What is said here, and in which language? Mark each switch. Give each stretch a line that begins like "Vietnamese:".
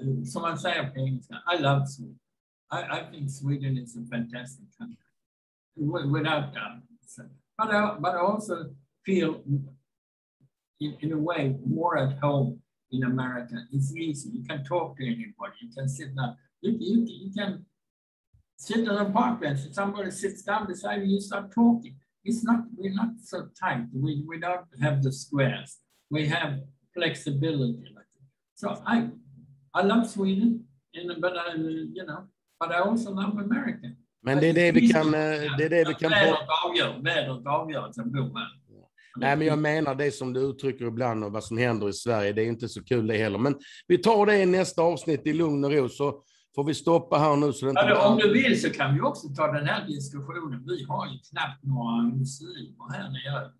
Swedish: Som man säger på engelska,
English: I love Sweden. I think Sweden is a fantastic country. Without doubt. But I also feel in a way more at home in America. It's easy. You can talk to anybody. You can sit down. You can sit on a park bench. If somebody sits down beside you, you start talking. We're not so tight. We don't have the squares. We have flexibility. So I love Sweden, but I also love America.
Swedish: Men det är det vi kan, det är det vi kan få. Med och avgör. Nej, men jag menar det som du uttrycker ibland och vad som händer i Sverige. Det är inte så kul det heller. Men vi tar det i nästa avsnitt i lugn och ro, så får vi stoppa här nu. Så det inte om du vill så kan vi också ta den här diskussionen. Vi har ju knappt några muslimer här nere.